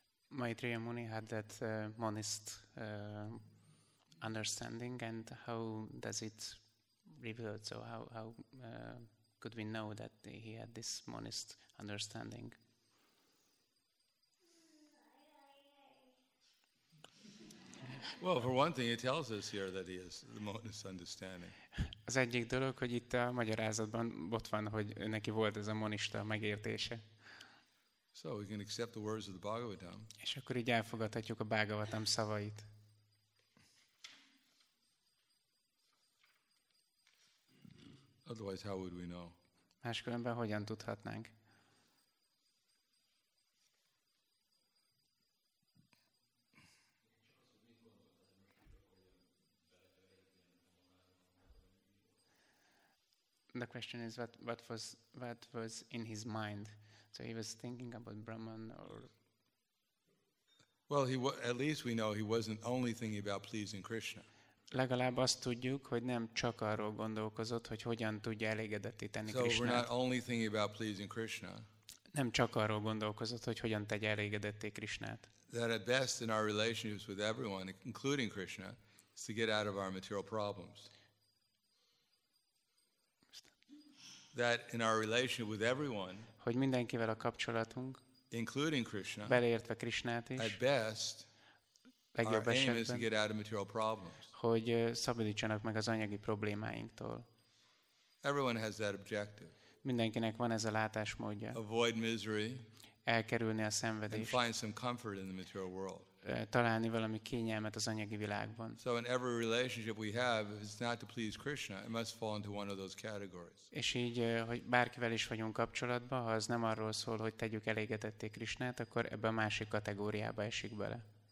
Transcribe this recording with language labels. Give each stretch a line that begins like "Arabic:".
English: Maitreya Muni had that monist understanding, and how does it reveal? So how could we know that he had this monist understanding? Well, for one thing, it tells us here that he has the monist understanding.
Hungarian: Az egyik dolog, hogy itt a magyarázatban ott van, hogy neki volt ez a monista megértése.
English: So we can accept the words of the Bhagavatam.
Hungarian: És akkor így elfogadhatjuk a Bhagavatam szavait.
English: Otherwise, how would we know?
Hungarian: Máskülönben hogyan tudhatnánk?
English: The question is what was in his mind. So he was thinking about Brahman, or well, he at least we know he wasn't only thinking about pleasing Krishna.
Hungarian: Legalább azt tudjuk, hogy nem csak arról gondolkozott, hogy hogyan tudja elégedetíteni Krishnát.
English: So we're not only thinking about pleasing Krishna.
Hungarian: Nem csak arról gondolkozott, hogy hogyan tegye elégedetté Krishnát.
English: That at best in our relationships with everyone, including Krishna, is to get out of our material problems. That in our relationship with everyone,
Hungarian: hogy mindenkivel a kapcsolatunk,
English: including Krishna,
Hungarian: beleértve Krishnát is,
English: at best,
Hungarian: legjobb
English: our
Hungarian: esetben,
English: aim is to get out of material problems.
Hungarian: Hogy szabadítsanak meg az anyagi problémáinktól.
English: Everyone has that objective.
Hungarian: Mindenkinek van ez a látásmódja.
English: Avoid misery,
Hungarian: elkerülni a szenvedést,
English: and find some comfort in the material world.
Hungarian: Találni valami kényelmet az anyagi világban.
English: So in every relationship we have, if it's not to please Krishna, it must fall into one of those categories.
Hungarian: És így, hogy bárkivel is vagyunk kapcsolatban, ha az nem arról szól, hogy tegyük elégedetté Krishnát, akkor ebbe a másik kategóriába esik bele.